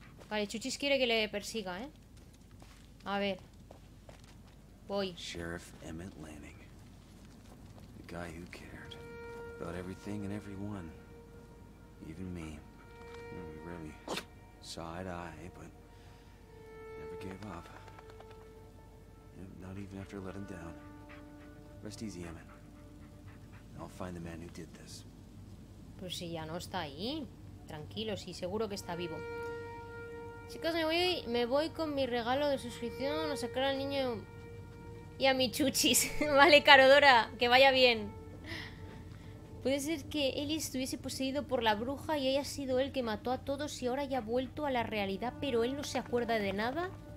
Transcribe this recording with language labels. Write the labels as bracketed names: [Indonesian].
[Spanish] Vale, Chuchis quiere que le persiga, ¿eh? A ver. Voy. [English] Sheriff Emmett Lanning. The guy who cared about everything and everyone. Even me. We really saw eye to eye, but never gave up. Not even after letting down. Rest easy, Emmett. I'll find the man who did this. [Spanish] Pues si ya no está ahí. Tranquilo, sí, seguro que está vivo. Chicos, me voy con mi regalo de suscripción a sacar al niño. Y a mi chuchis. Vale, Carodora, que vaya bien. Puede ser que Eli estuviese poseído por la bruja y haya sido él que mató a todos y ahora haya vuelto a la realidad, pero él no se acuerda de nada.